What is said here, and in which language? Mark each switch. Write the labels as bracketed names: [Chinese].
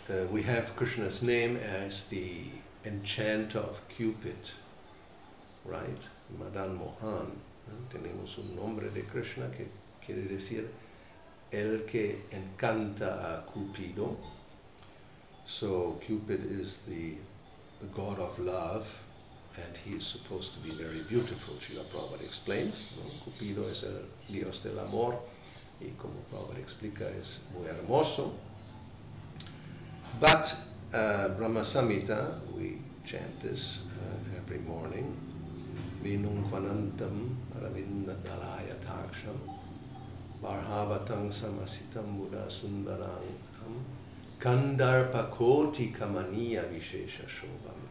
[English] We have Krishna's name as the enchanter of Cupid, right? Madan Mohan. [Spanish] Tenemos un nombre de Krishna que quiere decir el que encanta a Cupido. [English] So Cupid is the god of love, and he is supposed to be very beautiful, Srila Prabhupada explains. [Spanish] Cupido es el dios del amor, y como Prabhupada explica, es muy hermoso. [English] But Brahma Samhita, we chant this every morning. [Sanskrit] Vinum kvanantam ravindadalaya taksham varhavatam samasitam mudasundaranam kandarpakoti kamaniya vishesha shobham.